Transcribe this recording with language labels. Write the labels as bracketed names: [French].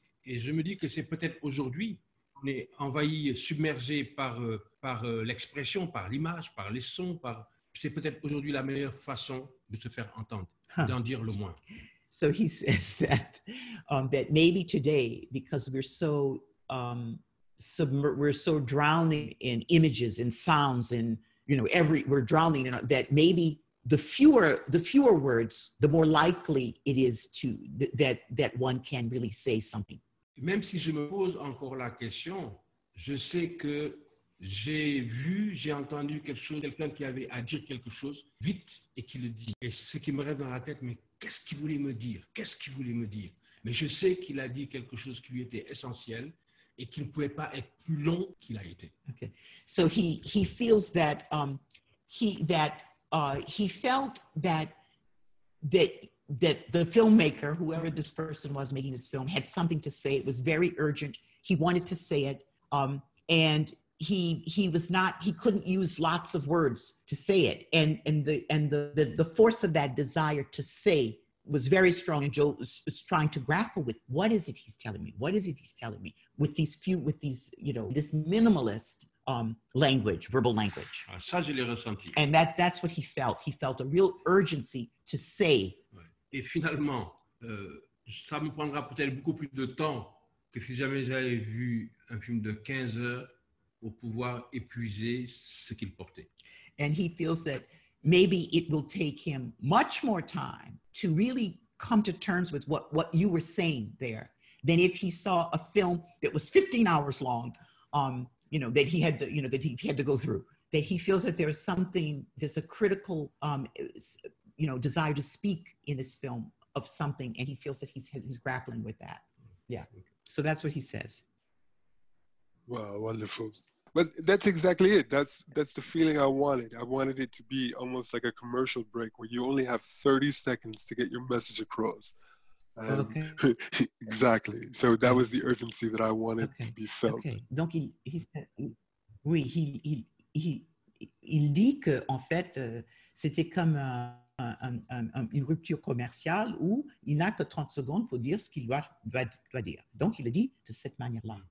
[French] Et je me dis que c'est peut-être aujourd'hui on est envahi, submergé par l'expression, par l'image, par les sons. C'est peut-être aujourd'hui la meilleure façon de se faire entendre, d'en dire le moins. [English] So he says that that maybe today, because we're so we're so drowning in images, in sounds, in, you know, we're drowning in that, maybe the fewer words, the more likely it is to that one can really say something. [French] Même si je me pose encore la question, je sais que j'ai vu, j'ai entendu quelque chose, quelqu'un qui avait à dire quelque chose vite et qui le dit. Et ce qui me reste dans la tête, mais qu'est-ce qu'il voulait me dire? Mais je sais qu'il a dit quelque chose qui lui était essentiel. Et qu'il ne pouvait pas être plus long qu'il a été. [English] Okay. So he feels that he felt that the filmmaker, whoever this person was making this film, had something to say. It was very urgent. He wanted to say it. And he couldn't use lots of words to say it. And the force of that desire to say was very strong, and Joe was trying to grapple with what is it he's telling me with this minimalist language, verbal language. [French] Ah, ça, je l'ai ressenti. [English] And that's what he felt. He felt a real urgency to say. [French] Et finalement, ça me prendra peut-être beaucoup plus de temps que si jamais j'avais vu un film de 15 heures pour pouvoir épuiser ce qu'il portait. [English] And he feels that maybe it will take him much more time to really come to terms with what you were saying there than if he saw a film that was 15 hours long, that he had to go through. that he feels that there's something, there's a critical, you know, desire to speak in this film of something, and he feels that he's grappling with that. Yeah. So that's what he says. Wow, wonderful. But that's exactly it. That's the feeling I wanted. I wanted it to be almost like a commercial break where you only have 30 seconds to get your message across. Okay. Exactly. So that was the urgency that I wanted to be felt. Okay. [French] Donc il dit que en fait c'était comme une rupture commerciale où il n'a que 30 secondes pour dire ce qu'il doit dire. Donc il le dit de cette manière-là.